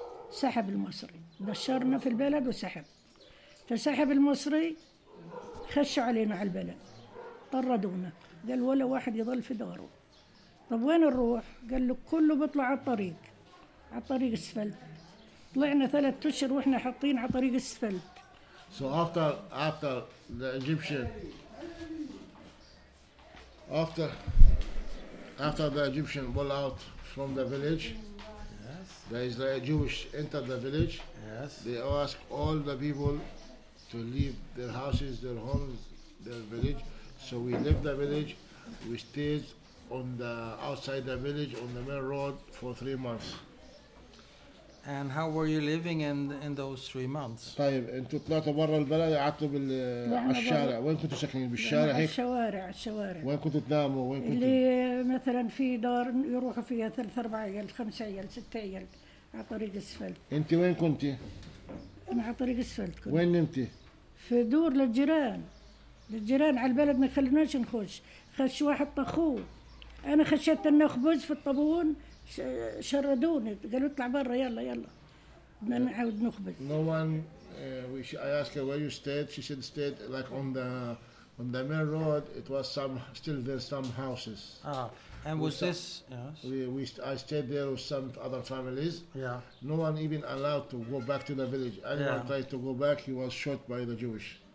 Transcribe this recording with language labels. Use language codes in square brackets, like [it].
[ar] سحب المصري. بشرنا في البلد وسحب. فسحب المصري خش علينا على البلد. طردونا. قال ولا واحد يضل في داره. طب وين نروح؟ قال له كله بطلع على الطريق. على طريق السفلت. طلعنا ثلاث أشهر وإحنا حاطين على طريق السفلت. [en] So after the Egyptian, after the Egyptian pull out from the village, yes. The Jewish enter the village. Yes. They ask all the people to leave their houses, their homes, their village. So we left the village. We stayed on the outside the village on the main road for 3 months. And how were you living in those 3 months? [ar] طيب انتوا طلعتوا برا البلد قعدتوا بال الشارع وين كنتوا ساكنين بالشارع هيك الشوارع الشوارع وين كنتوا تناموا وين كنتوا اللي مثلا في دار يروحوا فيها ثلاث اربع عيال خمس عيال ست عيال على طريق السفلت انت وين كنتي انا على طريق السفلت كنت وين نمتي في دور للجيران للجيران على البلد ما خلوناش نخش خش واحد طخوه انا خشيت انه خبز في الطابون شردوني قالوا اطلع برا يلا يلا ما نعود نخبز. [en] No one, I asked her where you stayed. She said stayed like on the main road. It was still there some houses. Ah, and was this? Yes. I stayed there with some other families. Yeah. No one even allowed to go back to the village. Anyone tried to go back, he was shot by the Jewish.